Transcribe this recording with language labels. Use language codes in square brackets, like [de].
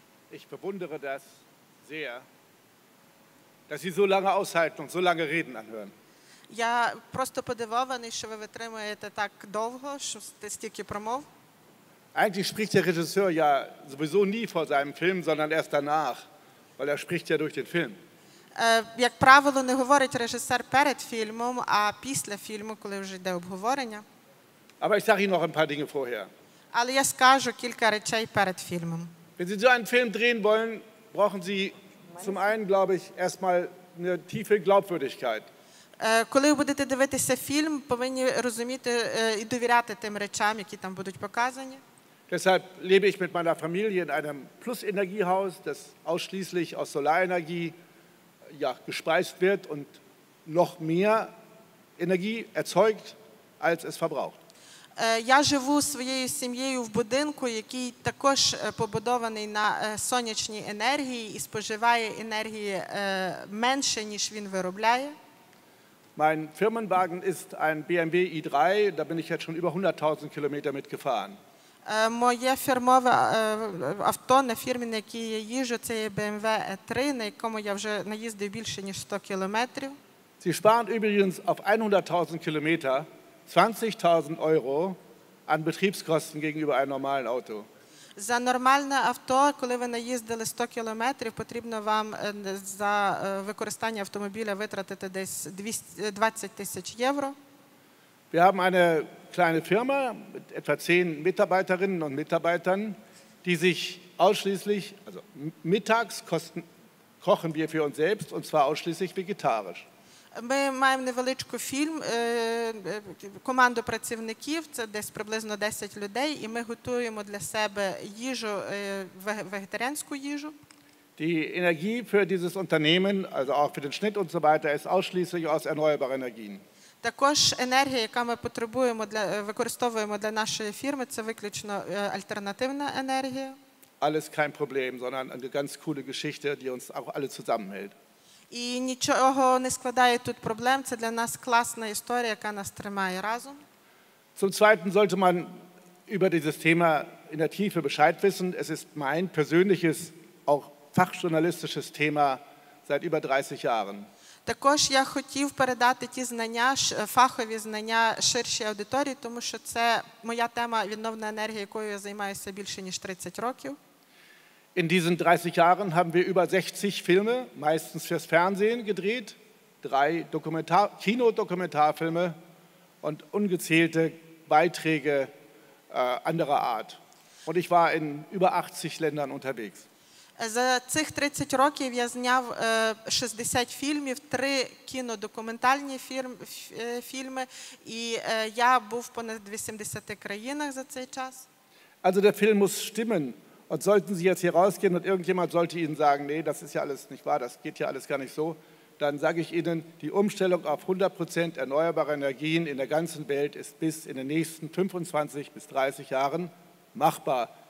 [de] Ich bewundere das sehr, dass Sie so lange aushalten und so lange Reden anhören. [uk] Я просто подивований, що ви витримуєте так довго, що ти стільки промов. [de] Eigentlich spricht der Regisseur ja sowieso nie vor seinem Film, sondern erst danach, weil spricht ja durch den Film. [uk] Як правило, не говорить режисер перед фільмом, а після фільму, коли вже йде обговорення. [de] Aber ich sage Ihnen noch ein paar Dinge vorher. [uk] Але я скажу кілька речей перед фільмом. [de] Wenn Sie so einen Film drehen wollen, brauchen Sie zum einen, glaube ich, erstmal eine tiefe Glaubwürdigkeit. [uk] Коли ви будете дивитися фільм, повинні розуміти і довіряти тим речам, які там будуть показані. [de] Deshalb lebe ich mit meiner Familie in einem Plus-Energiehaus, das ausschließlich aus Solarenergie ja, gespeist wird und noch mehr Energie erzeugt, als es verbraucht. [uk] Я живу своєю сім'єю в будинку, який також побудований на сонячній енергії і споживає енергії менше, ніж він виробляє. [de] Mein Firmenwagen ist ein BMW i3, da bin ich jetzt schon über 100.000 Kilometer mitgefahren. [uk] Моє фірмове авто, на фірмі, на якій я їжджу, це є BMW i3, на якому я вже наїздив більше, ніж 100 кілометрів. [de] Sie sparen übrigens auf 100.000 Kilometer 20.000 Euro an Betriebskosten gegenüber einem normalen Auto. [uk] За нормальне авто, коли ви наїздили 100 кілометрів, потрібно вам за використання автомобіля витратити десь 20 тисяч євро. [de] Wir haben eine kleine Firma mit etwa 10 Mitarbeiterinnen und Mitarbeitern, die sich ausschließlich, also mittags kochen wir für uns selbst und zwar ausschließlich vegetarisch. [uk] Ми маємо невеличку фільм, команду працівників, це десь приблизно 10 людей, і ми готуємо для себе їжу, вегетаріанську їжу. [de] Die Energie für dieses Unternehmen, also auch für den Schnitt und so weiter, ist ausschließlich aus erneuerbaren Energien. [uk] Також енергія, яку ми потребуємо для використовуємо для нашої фірми, це виключно альтернативна енергія. [de] Alles kein Problem, sondern eine ganz coole Geschichte, die uns auch alle zusammenhält. [uk] І нічого не складає тут проблем, це для нас класна історія, яка нас тримає разом. [de] Zum zweiten sollte man über dieses Thema in der Tiefe Bescheid wissen. Es ist mein persönliches, auch fachjournalistisches Thema seit über 30 Jahren. [uk] Також я хотів передати ті знання, фахові знання ширшій аудиторії, тому що це моя тема відновлення енергії, якою я займаюся більше ніж 30 років. [de] In diesen 30 Jahren haben wir über 60 Filme, meistens fürs Fernsehen, gedreht, 3 Kinodokumentarfilme und ungezählte Beiträge anderer Art. Und ich war in über 80 Ländern unterwegs. [uk] За цих 30 років я зняв 60 фільмів, 3 кінодокументальні фільми, і я був понад 80 країнах за цей час. [de] Also der Film muss stimmen. Und sollten Sie jetzt hier rausgehen und irgendjemand sollte Ihnen sagen, nee, das ist ja alles nicht wahr, das geht ja alles gar nicht so, dann sage ich Ihnen, die Umstellung auf 100% erneuerbare Energien in der ganzen Welt ist bis in den nächsten 25 bis 30 Jahren machbar.